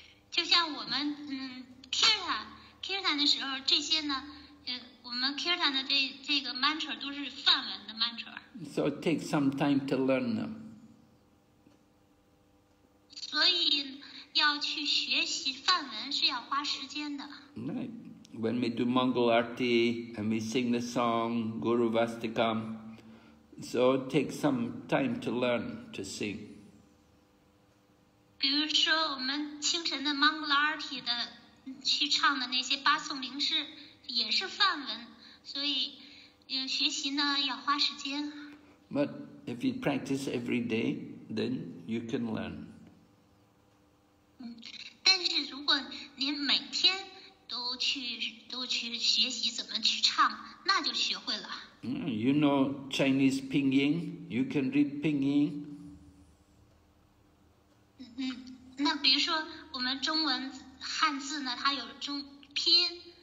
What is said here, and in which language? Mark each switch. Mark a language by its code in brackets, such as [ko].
[zh] 就像我们kirtan 的时候，这些呢，我们 kirtan 的这个 mantra 都是梵文的 mantra。 [en] So it takes some time to learn them. [zh] 所以要去学习梵文是要花时间的。 [en] Right. When we do Mangal Arti and we sing the song Guru Vastikam, so it takes some time to learn to sing. [zh] 比如说我们清晨的 Mangal Arti 的去唱的那些八颂铃诗也是梵文，所以学习呢要花时间。 [en] But if you practice every day, then you can learn. [zh] 但是如果您每天都去学习怎么去唱，那就学会了。 [en] You know Chinese pinyin, you can read pinyin. [zh] 那比如说我们中文汉字呢，它有中拼音。